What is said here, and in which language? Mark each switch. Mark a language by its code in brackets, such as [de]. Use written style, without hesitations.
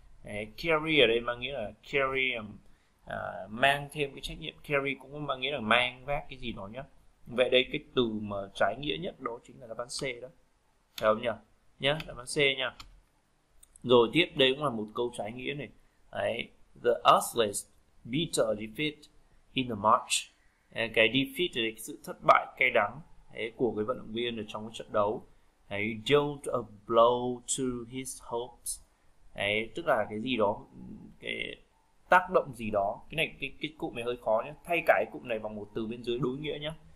[vi] Đấy, carry ở đây mang nghĩa là carry, mang thêm cái trách nhiệm, carry cũng mang nghĩa là mang vác cái gì đó nhé. Vậy đây cái từ mà trái nghĩa nhất đó chính là đáp án C đó, hiểu không nhỉ? Nhá, đáp án C nha. Rồi tiếp đây cũng là một câu trái nghĩa này. [en] Đấy, the useless bitter defeat in the match. [vi] Cái defeat là cái sự thất bại cay đắng đấy, của cái vận động viên ở trong cái trận đấu. [en] Đấy, dealt a blow to his hopes. [vi] Đấy, tức là cái gì đó, cái tác động gì đó. Cái này cái cụm này hơi khó nhé. Thay cả cái cụm này bằng một từ bên dưới đối nghĩa nhé.